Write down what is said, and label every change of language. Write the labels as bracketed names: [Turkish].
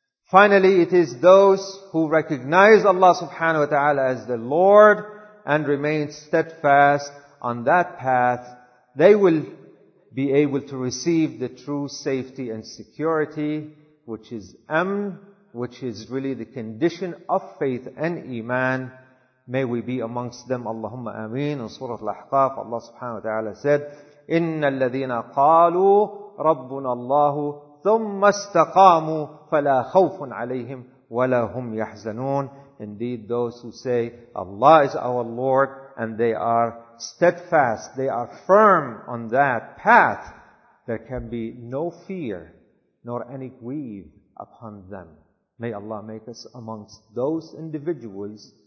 [English] Finally, it is those who recognize Allah subhanahu wa ta'ala as the Lord and remain steadfast on that path. They will be able to receive the true safety and security, which is amn, which is really the condition of faith and iman. May we be amongst them. Allahumma ameen. In Surah Al-Ahqaf, Allah subhanahu wa ta'ala said, [Arabic] إِنَّ الَّذِينَ قَالُوا رَبُّنَا اللَّهُ ثُمَّ اسْتَقَامُوا فَلَا خَوْفٌ عَلَيْهِمْ وَلَا هُمْ يَحْزَنُونَ. [English] Indeed, those who say, Allah is our Lord, and they are steadfast, they are firm on that path, there can be no fear nor any grief upon them. May Allah make us amongst those individuals.